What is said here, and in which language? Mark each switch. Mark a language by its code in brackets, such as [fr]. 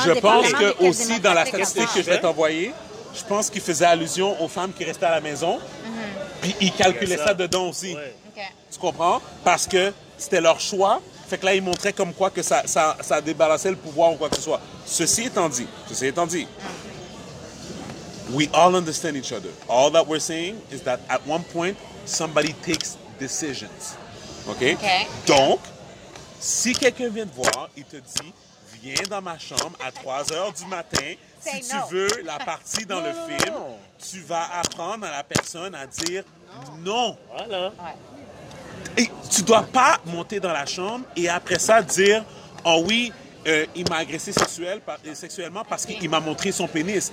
[fr] Je pense que aussi dans la statistique que je vais t'envoyer, je pense qu'il faisait allusion aux femmes qui restaient à la maison. Mm-hmm. Puis il calculait ça dedans aussi. Ouais. Okay. Tu comprends? Parce que c'était leur choix. Fait que là, il montrait comme quoi que ça débalançait le pouvoir ou quoi que ce soit. Ceci étant dit, [en] we all understand each other. All that we're saying is that at one point, somebody takes decisions. Okay? [fr] Donc, si quelqu'un vient te voir, il te dit, viens dans ma chambre à 3 heures du matin. Si tu veux la partie dans le film, tu vas apprendre à la personne à dire non. Voilà. Et tu ne dois pas monter dans la chambre et après ça dire, oh oui, il m'a agressé sexuellement parce qu'il m'a montré son pénis.